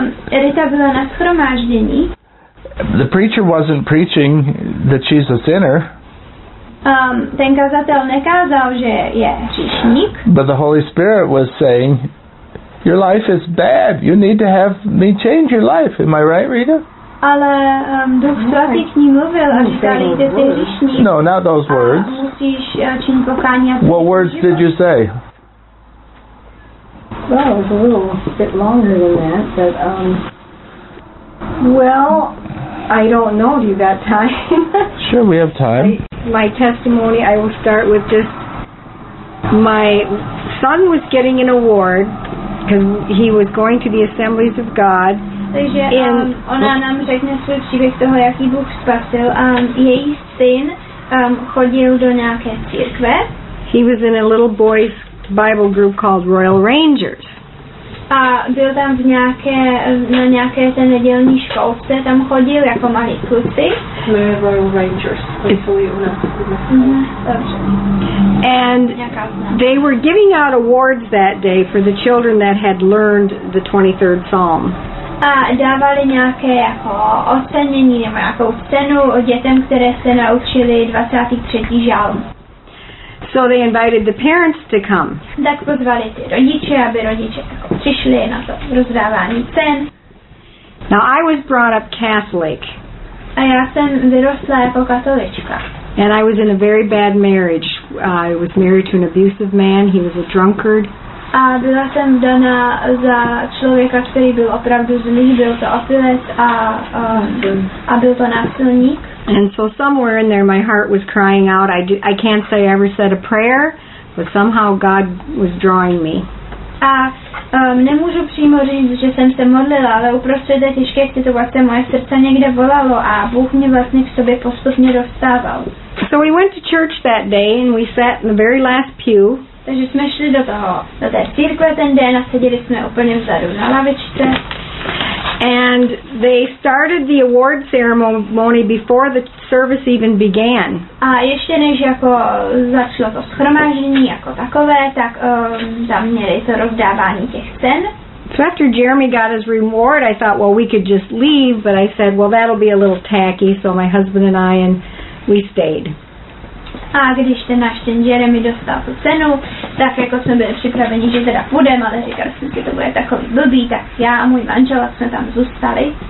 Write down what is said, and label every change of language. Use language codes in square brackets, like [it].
[cs] Rita byla na shromáždění. [en] The preacher wasn't preaching that she's a sinner. [cs] Ten kazatel nekázal, že je hříšník. [en] But the Holy Spirit was saying, your life is bad. You need to have me change your life. Am I right, Rita? [cs] Ale Duch Svatý k ní mluvil a říkal, že jsi hříšník. [en] No, not those words. [cs] Musíš činit pokání. [en] What words did you say? Well, it was a little bit longer than that, but I don't know if you've got time. Sure, we have time. My testimony, I will start with just, my son was getting an award because he was going to the Assemblies of God. [cs] Takže ona nám řekne svůj příběh toho, jaký Bůh spasil. Její syn chodil do nějaké církve. [en] He was in a little boys Bible group called Royal Rangers. [cs] A byl tam na nějaké té nedělní školce, tam chodil jako malí kluci. [en] Royal Rangers. And they were giving out awards that day for the children that had learned the 23rd Psalm. [cs] A dávali nějaké jako ocenění nebo nějakou cenu dětem, které se naučili 23. žalm. [en] So they invited the parents to come. [cs] Tak pozvali ty rodiče, aby rodiče jako přišli na to rozdávání cen. [en] Now I was brought up Catholic. [cs] A já jsem vyrostla jako katolička. [en] And I was in a very bad marriage. I was married to an abusive man. He was a drunkard. [cs] A byla jsem vdaná za člověka, který byl opravdu zlý, byl to opilec a byl to násilník. [en] And so somewhere in there my heart was crying out. I can't say I ever said a prayer, but somehow God was drawing me. [cs] A nemůžu přímo říct, že jsem se modlila, ale uprostřed té těžké situace moje srdce někde volalo a Bůh mě vlastně k sobě postupně dostával. [en] So we went to church that day and we sat in the very last pew. [cs] Takže jsme šli do toho, do té církve ten den a seděli jsme úplně vzadu na lavičce. [en] And they started the award ceremony before the service even began. [cs] A ještě než jako začalo to shromáždění jako takové, tak tam měli to rozdávání těch cen. [en] So after Jeremy got his reward, I thought, well, we could just leave, but I said, well, that'll be a little tacky, so my husband and I, and we stayed. [cs] A když ten náš ten Jeremy dostal tu cenu, tak jako jsme byli připraveni, že teda půjdeme, ale říkali jsme, že to bude takový blbý, tak já a můj manžel jsme tam zůstali.